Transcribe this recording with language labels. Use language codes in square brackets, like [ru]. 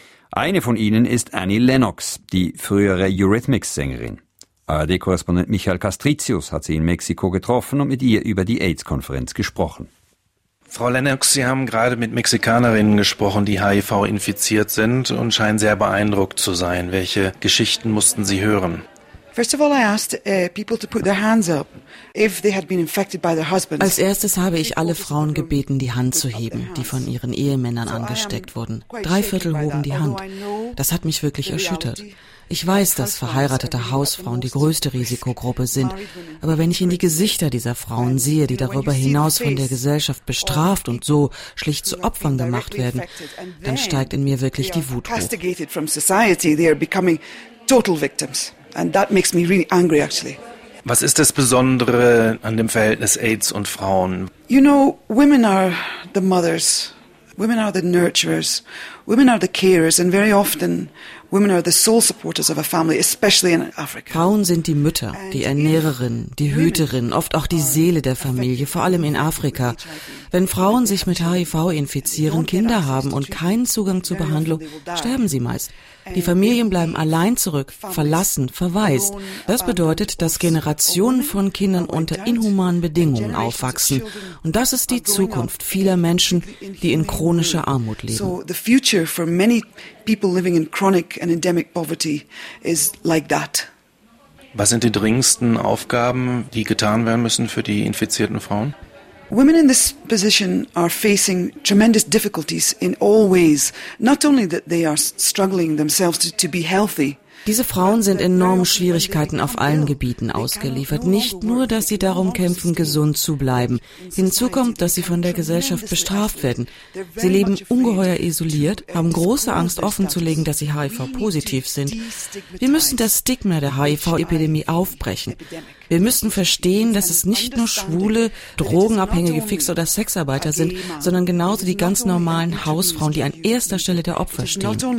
[de] Eine von ihnen ist Annie Lennox, die frühere Eurythmics-Sängerin. ARD-Korrespondent Michael Castricius hat sie in Mexiko getroffen und mit ihr über die AIDS-Konferenz gesprochen. Frau Lennox, Sie haben gerade mit Mexikanerinnen gesprochen, die HIV-infiziert sind und scheinen sehr beeindruckt zu sein. Welche Geschichten mussten Sie hören? [en] First of all, I asked people to put their hands up if they had been infected by their husbands. [de] Als erstes habe ich alle Frauen gebeten, die Hand zu heben, die von ihren Ehemännern angesteckt wurden. Drei Viertel hoben die Hand. Das hat mich wirklich erschüttert. Ich weiß, dass verheiratete Hausfrauen die größte Risikogruppe sind, aber wenn ich in die Gesichter dieser Frauen sehe, die darüber hinaus von der Gesellschaft bestraft und so schlicht zu Opfern gemacht werden, dann steigt in mir wirklich die Wut hoch. [en] And that makes me really angry, actually. [de] Was ist das Besondere an dem Verhältnis AIDS und Frauen? [en] You know, women are the mothers. Women are the nurturers. Women are the carers, and very often women are the sole supporters of a family, especially in Africa. [de] Frauen sind die Mütter, die Ernährerin, die Hüterin, oft auch die Seele der Familie, vor allem in Afrika. Wenn Frauen sich mit HIV infizieren, Kinder haben und keinen Zugang zur Behandlung, sterben sie meist. Die Familien bleiben allein zurück, verlassen, verwaist. Das bedeutet, dass Generationen von Kindern unter inhumanen Bedingungen aufwachsen. Und das ist die Zukunft vieler Menschen, die in chronischer Armut leben. [en] For many people living in chronic and endemic poverty is like that. [de] Was sind die dringendsten Aufgaben, die getan werden müssen für die infizierten Frauen? [en] Women in this position are facing tremendous difficulties in all ways, not only that they are struggling themselves to be healthy. [de] Diese Frauen sind enormen Schwierigkeiten auf allen Gebieten ausgeliefert. Nicht nur, dass sie darum kämpfen, gesund zu bleiben. Hinzu kommt, dass sie von der Gesellschaft bestraft werden. Sie leben ungeheuer isoliert, haben große Angst, offenzulegen, dass sie HIV-positiv sind. Wir müssen das Stigma der HIV-Epidemie aufbrechen. Wir müssen verstehen, dass es nicht nur schwule, drogenabhängige Fix- oder Sexarbeiter sind, sondern genauso die ganz normalen Hausfrauen, die an erster Stelle der Opfer stehen.